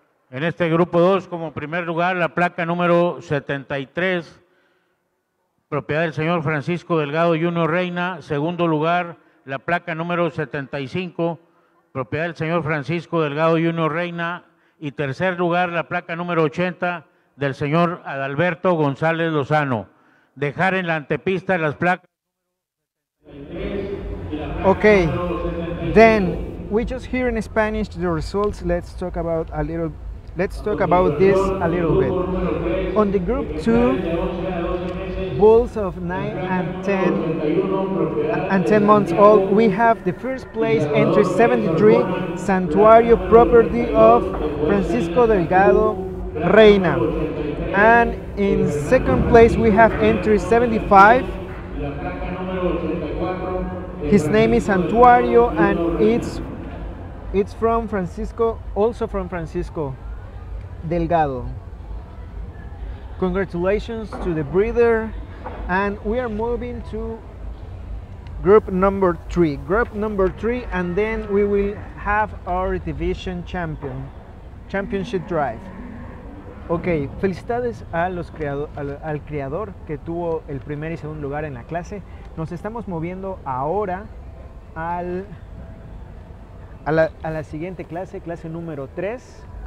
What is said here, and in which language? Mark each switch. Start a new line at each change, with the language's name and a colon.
Spanish: En este grupo 2, como primer lugar, la placa número 73, propiedad del señor Francisco Delgado Junior Reina. Segundo lugar, la placa número 75, propiedad del señor Francisco Delgado Junior Reina. Y tercer lugar, la placa número 80, del señor Adalberto González Lozano. Dejar en la antepista las placas.
English: Okay, then we just hear in Spanish the results. Let's talk about this a little bit. On the group 2, bulls of 9 and 10 months old, we have the first place entry 73, Santuario, property of Francisco Delgado Reina. And in second place we have entry 75. His name is Santuario, and it's from Francisco, also from Francisco Delgado. Congratulations to the breeder. And we are moving to group number 3. Group number 3, and then we will have our division champion. Championship drive.
Spanish: Ok, felicidades a los al criador que tuvo el primer y segundo lugar en la clase. Nos estamos moviendo ahora a la siguiente clase, clase número 3.